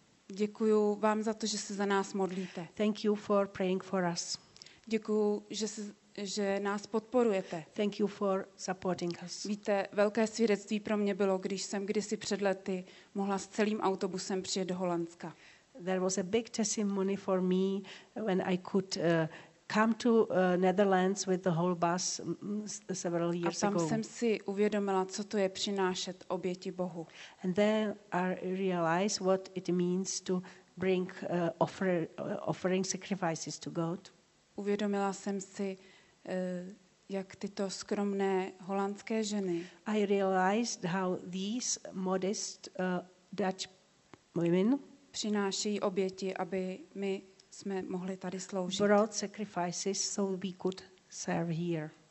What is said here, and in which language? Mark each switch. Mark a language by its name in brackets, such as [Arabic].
[Czech] Děkuju vám za to, že se za nás modlíte. [English] Thank you for praying for us. [Czech] Děkuju, že nás podporujete. [English] Thank you for supporting us. [Czech] Víte, velké svědectví pro mě bylo, když jsem kdysi před lety mohla s celým autobusem přijet do Holandska. [English] There was a big testimony for me when I could come to Netherlands with the whole bus several years ago. [Czech] A tam jsem si uvědomila, co to je přinášet oběti Bohu. [English] And then I realized what it means to bring offering sacrifices to God. [Czech] Uvědomila jsem si, jak tyto skromné holandské ženy. [English] I realized how these modest Dutch women [Czech] přinášejí oběti, aby my jsme mohli tady sloužit. [English] Brought sacrifices so we could serve here.